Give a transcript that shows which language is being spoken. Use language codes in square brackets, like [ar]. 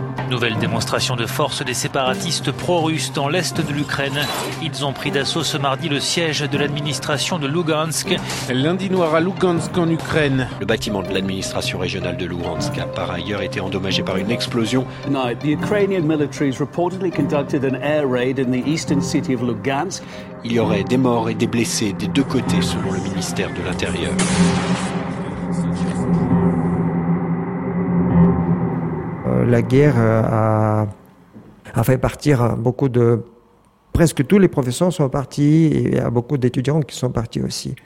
[fr] Nouvelle démonstration de force des séparatistes pro-russes dans l'est de l'Ukraine. Ils ont pris d'assaut ce mardi le siège de l'administration de Lugansk. Lundi noir à Lugansk en Ukraine. Le bâtiment de l'administration régionale de Lugansk a par ailleurs été endommagé par une explosion. [en] Tonight, the Ukrainian military has reportedly conducted an air raid in the eastern city of Lugansk. [fr] Il y aurait des morts et des blessés des deux côtés, selon le ministère de l'Intérieur. La guerre a fait partir beaucoup de... Presque tous les professeurs sont partis et il y a beaucoup d'étudiants qui sont partis aussi.